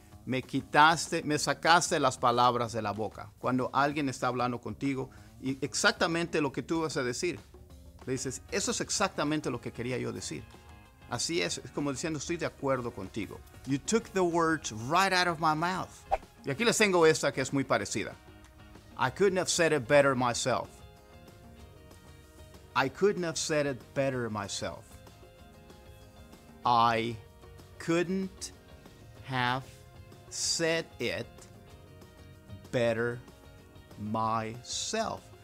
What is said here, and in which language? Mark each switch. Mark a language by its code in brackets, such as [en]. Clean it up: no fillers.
[es] Me quitaste, me sacaste las palabras de la boca. Cuando alguien está hablando contigo y exactamente lo que tú vas a decir, le dices, eso es exactamente lo que quería yo decir. Así es como diciendo, estoy de acuerdo contigo. [en] You took the words right out of my mouth. [es] Y aquí les tengo esta que es muy parecida. [en] I couldn't have said it better myself. I couldn't have said it better myself. I couldn't have said it better myself.